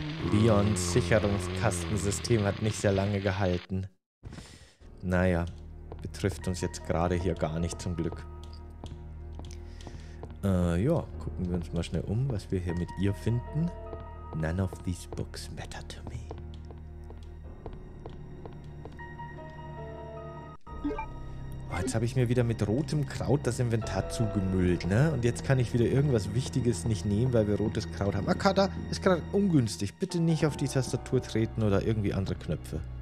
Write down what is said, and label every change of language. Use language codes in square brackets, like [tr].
[de] Leons Sicherungskastensystem hat nicht sehr lange gehalten. Naja, betrifft uns jetzt gerade hier gar nicht zum Glück. Gucken wir uns mal schnell um, was wir hier mit ihr finden. [en] None of these books matter to me. [de] Oh, jetzt habe ich mir wieder mit rotem Kraut das Inventar zugemüllt, ne? Und jetzt kann ich wieder irgendwas Wichtiges nicht nehmen, weil wir rotes Kraut haben. Akata ist gerade ungünstig. Bitte nicht auf die Tastatur treten oder irgendwie andere Knöpfe.